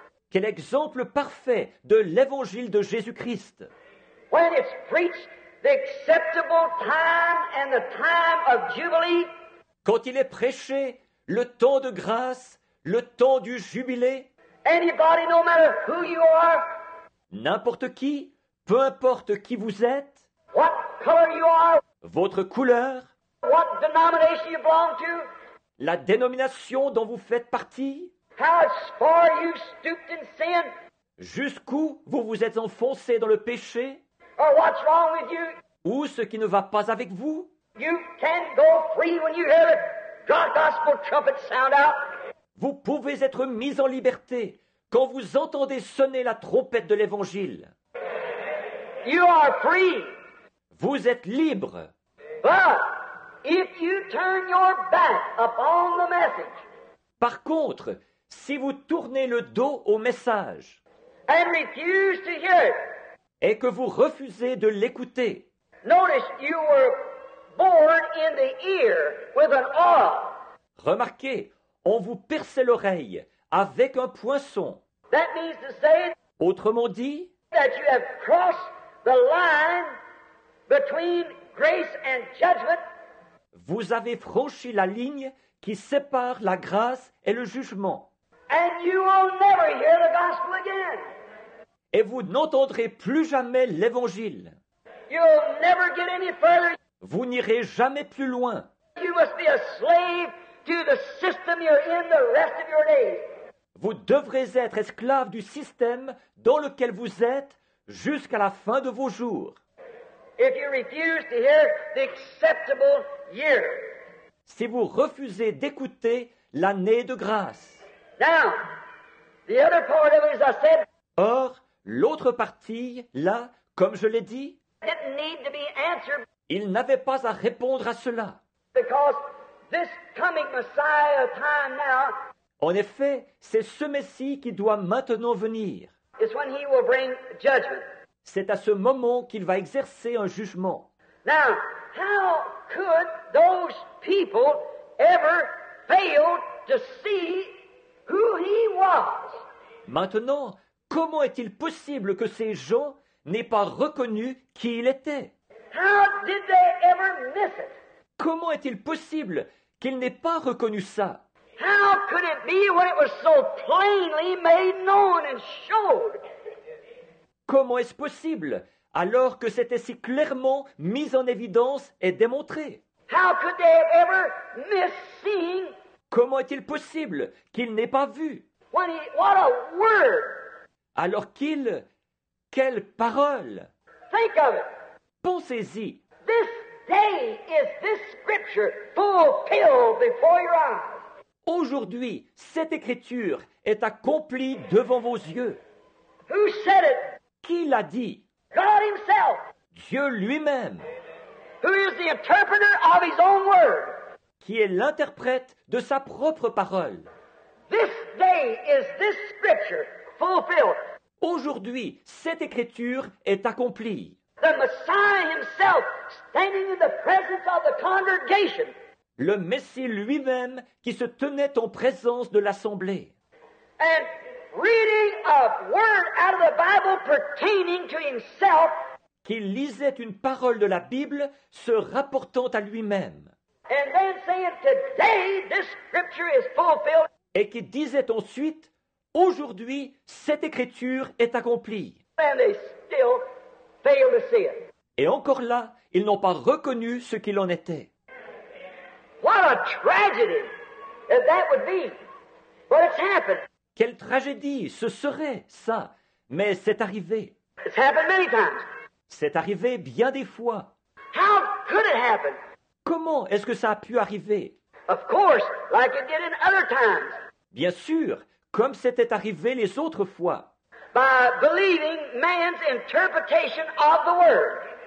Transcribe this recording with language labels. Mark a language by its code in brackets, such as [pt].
[fr] Quel exemple parfait de l'évangile de Jésus-Christ. [en] When it's preached the acceptable time and the time of jubilee, [fr] quand il est prêché le temps de grâce, le temps du jubilé. [en] Anybody, no matter who you are, [fr] n'importe qui, peu importe qui vous êtes. [en] What color you are, [fr] votre couleur. [en] What denomination you belong to, [fr] la dénomination dont vous faites partie. [en] How far you stooped in sin, [fr] jusqu'où vous vous êtes enfoncé dans le péché. [en] Or what's wrong with you, [fr] ou ce qui ne va pas avec vous. [en] You can go free when you hear the gospel trumpet sound out. [fr] Vous pouvez être mis en liberté quand vous entendez sonner la trompette de l'évangile. [en] You are free. [fr] Vous êtes libre. [en] But if you turn your back upon the message. [fr] Par contre, si vous tournez le dos au message [en] and refuse to hear it, [fr] et que vous refusez de l'écouter, [en] notice you were born in the ear with an awl. [fr] Remarquez, on vous perçait l'oreille avec un poinçon. [en] That means to say, [fr] autrement dit, [en] that you have crossed the line between grace and judgment. [fr] Vous avez franchi la ligne qui sépare la grâce et le jugement. [en] And you will never hear the gospel again. [fr] Et vous n'entendrez plus jamais l'évangile. [en] You'll never get any further. [fr] Vous n'irez jamais plus loin. [en] You must be a slave to the system you're in the rest of your days. [fr] Vous devrez être esclave du système dans lequel vous êtes jusqu'à la fin de vos jours. [en] If you refuse to hear the acceptable year. [fr] Si vous refusez d'écouter l'année de grâce. [en] Now, the other part of it, as I said, [fr] or, l'autre partie, là, comme je l'ai dit, [en] didn't need to be answered. [fr] Il n'avait pas à répondre à cela. [en] Because this coming Messiah time now, [fr] en effet, c'est ce Messie qui doit maintenant venir. [en] It's when he will bring judgment. [fr] C'est à ce moment qu'il va exercer un jugement. [en] Now, how could those people ever fail to see who he was? [fr] Maintenant, comment est-il possible que ces gens n'aient pas reconnu qui il était? [en] How did they ever miss it? [fr] Comment est-il possible qu'ils n'aient pas reconnu ça? [en] How could it be when it was so plainly made known and showed? [fr] Comment est-ce possible alors que c'était si clairement mis en évidence et démontré? [en] How could they ever miss seeing? [fr] Comment est-il possible qu'ils n'aient pas vu? [en] What a word! [fr] Alors qu'ils... Quelle parole! [en] Think of it! [fr] Pensez-y! [en] This day is this scripture fulfilled before your eyes. [fr] Aujourd'hui, cette écriture est accomplie devant vos yeux. [en] Who said it? [fr] Qui l'a dit? [en] God himself. [fr] Dieu lui-même. [en] Who is the interpreter of his own word? [fr] Qui est l'interprète de sa propre parole. [en] This day is this scripture fulfilled. [fr] Aujourd'hui, cette écriture est accomplie. [en] The Messiah himself standing in the presence of the congregation. [fr] Le Messie lui-même qui se tenait en présence de l'assemblée. [en] And reading a word out of the Bible pertaining to himself. [fr] Qu'il lisait une parole de la Bible se rapportant à lui-même. [en] And then saying, today this scripture is fulfilled. [fr] Et qui disait ensuite, aujourd'hui, cette écriture est accomplie. [en] And they still fail to see it. [fr] Et encore là, ils n'ont pas reconnu ce qu'il en était. [en] What a tragedy that would be. But it's happened. [fr] Quelle tragédie ce serait, ça. Mais c'est arrivé. [en] It's happened many times. [fr] C'est arrivé bien des fois. [en] How could it happen? [fr] Comment est-ce que ça a pu arriver? [en] Of course, like it did in other times. [fr] Bien sûr, comme c'était arrivé les autres fois. [en] By believing man's interpretation of the word.